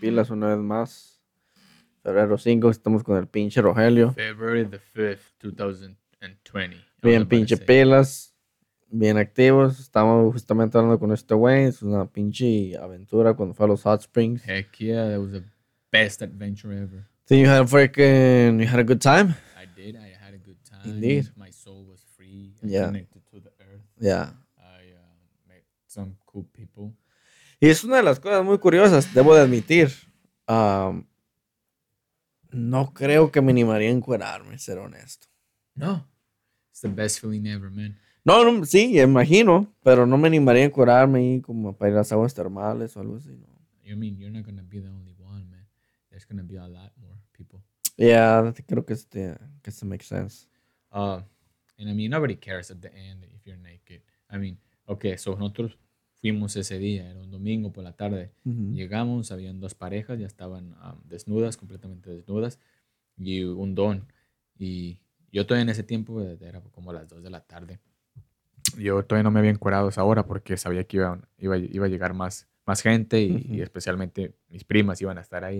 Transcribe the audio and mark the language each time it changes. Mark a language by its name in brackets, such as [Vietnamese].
[Spanish] Una vez más, febrero 5, estamos con el pinche Rogelio. [English] February the 5th, 2020. [Spanish] Bien, pinche pilas, bien activos. Estamos justamente hablando con este güey. Es una pinche aventura cuando fue a los Hot Springs. [English] Heck yeah, that was the best adventure ever. So you had a freaking, you had a good time? I did, I had a good time. Indeed. My soul was free, connected to the earth. Yeah. I met some cool people. [Spanish] Y es una de las cosas muy curiosas, debo de admitir. No creo que me animaría a encuerarme, ser honesto. [English] No. It's the best feeling ever, man. [Spanish] No, no, sí, imagino, pero no me animaría a encuerarme y como para ir a las aguas termales o algo así, no. [English] You mean you're not gonna be the only one, man. There's gonna be a lot more people. Yeah, [Spanish] creo que eso [English] makes sense. And I mean, nobody cares at the end if you're naked. I mean, okay, so [Spanish] nosotros fuimos ese día, era un domingo por la tarde. Mm-hmm. Llegamos, habían dos parejas, ya estaban desnudas, completamente desnudas, y un don. Y yo todavía en ese tiempo, era como a las 2 de la tarde, yo todavía no me había encuerado esa hora porque sabía que iba a llegar más gente y, mm-hmm. y especialmente mis primas iban a estar ahí.